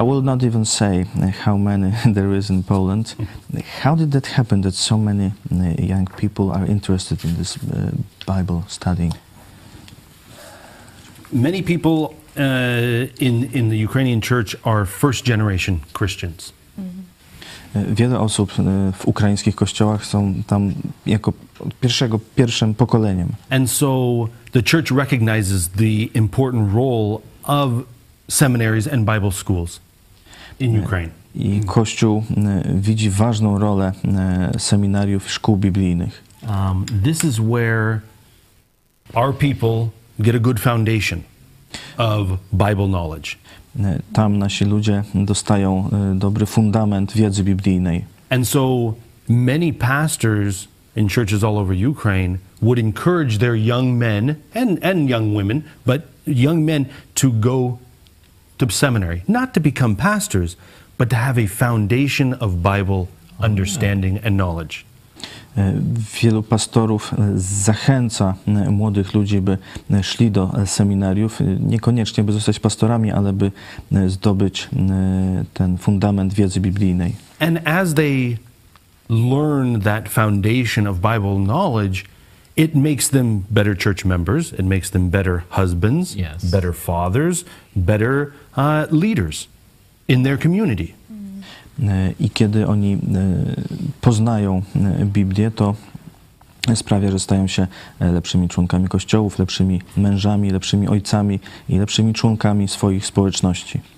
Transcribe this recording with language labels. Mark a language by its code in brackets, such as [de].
[en] I will not even say how many there is in Poland. Mm-hmm. How did that happen that so many young people are interested in this Bible studying? Many people in the Ukrainian church are first generation Christians. [pl] Wiele osób w ukraińskich kościołach są tam jako pierwszym pokoleniem. [en] And so the church recognizes the important role of seminaries and Bible schools in Ukraine. [pl] I kościół widzi ważną rolę seminariów i szkół biblijnych. [en] This is where our people get a good foundation of Bible knowledge. [pl] Tam nasi ludzie dostają dobry fundament wiedzy biblijnej. [en] And so many pastors in churches all over Ukraine would encourage their young men and young women, but young men to go to seminary, not to become pastors, but to have a foundation of Bible understanding and knowledge. [pl] Wielu pastorów zachęca młodych ludzi, by szli do seminariów, niekoniecznie by zostać pastorami, ale by zdobyć ten fundament wiedzy biblijnej. [en] And as they learn that foundation of Bible knowledge, it makes them better church members, it makes them better husbands, yes, better fathers, better leaders in their community. [pl] I kiedy oni poznają Biblię, to sprawia, że stają się lepszymi członkami kościołów, lepszymi mężami, lepszymi ojcami i lepszymi członkami swoich społeczności.